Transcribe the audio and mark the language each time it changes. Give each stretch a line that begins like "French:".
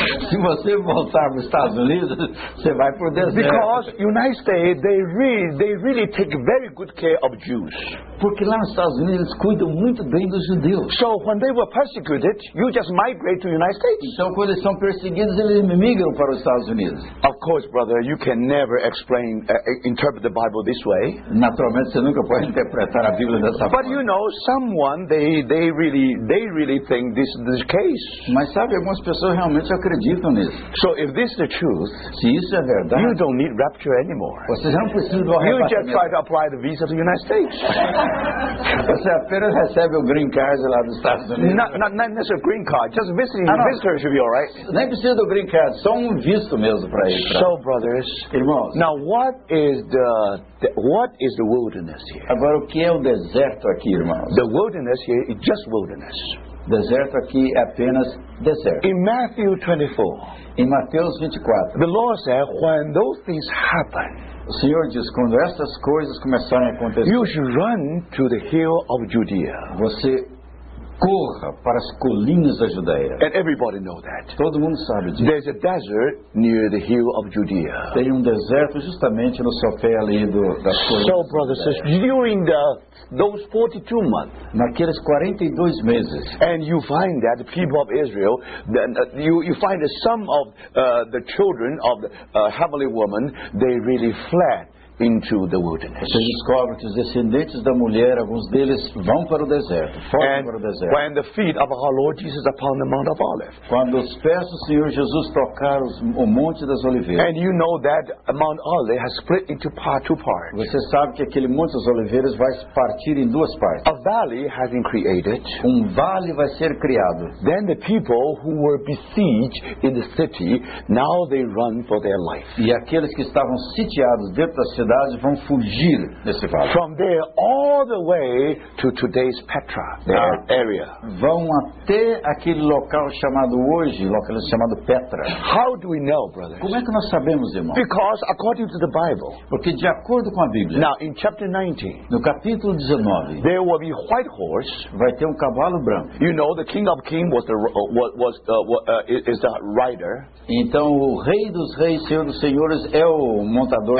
Portuguese: Se você voltar para os Estados Unidos, você vai para o deserto.
English: Because United States, they really take very good care of Jews.
Portuguese: Porque lá nos Estados Unidos eles cuidam muito bem dos judeus.
English: So when they were persecuted, you just migrate to the United States.
Portuguese: Então quando eles são perseguidos, eles migram para os Estados Unidos.
English: Of course, brother, you can never interpret the Bible this way.
Portuguese: Naturalmente, você nunca pode pode interpretar a Bíblia dessa forma.
English: But you know, someone they really think this is the case.
Portuguese: Mas sabe, algumas pessoas realmente acreditam nisso.
English: So if this is the truth,
Portuguese: se isso é verdade,
English: you don't need rapture anymore.
Portuguese: Você não precisa do arrebatamento.
English: You just try to apply the visa to the United States.
Portuguese: Você apenas recebe o green card lá dos Estados Unidos.
English: Not necessarily a green card, just visiting visitor should be all right.
Portuguese: Nem precisa do green card, só um visto mesmo para ir.
English: So brothers,
Portuguese: irmãos,
English: now what is the wilderness here?
Portuguese: Agora o que é o deserto aqui, irmãos?
English: The wilderness here is just wilderness.
Portuguese: Deserto aqui é apenas deserto.
English: In Matthew 24,
Portuguese: em Mateus 24,
English: the Lord said, when those things happen,
Portuguese: o Senhor diz, quando essas coisas começarem a acontecer,
English: you should run to the hill of Judea.
Portuguese: Você corra para as colinas da Judeia.
English: And everybody knows that.
Portuguese: Todo mundo sabe disso.
English: There's a desert near the hill of Judea.
Portuguese: Tem um deserto justamente no sofé ali das colinas.
English: So, brothers and sisters, during those 42 months,
Portuguese: naqueles 42 meses,
English: and you find that the people of Israel, then you find that some of the children of the heavenly woman, they really fled into the wilderness.
Portuguese: Você descobre que os descendentes da mulher, alguns deles vão para o deserto, fogem para o deserto.
English: When the feet of our Lord Jesus upon the Mount of Olives.
Portuguese: Quando os pés do Senhor Jesus tocaram o Monte das Oliveiras.
English: And you know that Mount Olives has split into two parts.
Portuguese: Você sabe que aquele Monte das Oliveiras vai se partir em duas partes.
English: A valley has been created.
Portuguese: Um vale vai ser criado.
English: Then the people who were besieged in the city, now they run for their life.
Portuguese: E aqueles que estavam sitiados dentro da cidades vão fugir desse vale.
English: From there all the way to today's Petra, area.
Portuguese: Vão até aquele local chamado hoje, local chamado Petra.
English: How do we know, brothers?
Portuguese: Como é que nós sabemos, irmão?
English: Because according to the Bible.
Portuguese: Porque de acordo com a Bíblia.
English: Now in chapter 19.
Portuguese: No capítulo 19.
English: There will be white horse.
Portuguese: Vai ter um cavalo branco.
English: You know the King of Kings was the rider.
Portuguese: Então o Rei dos Reis, Senhor dos Senhores é o montador.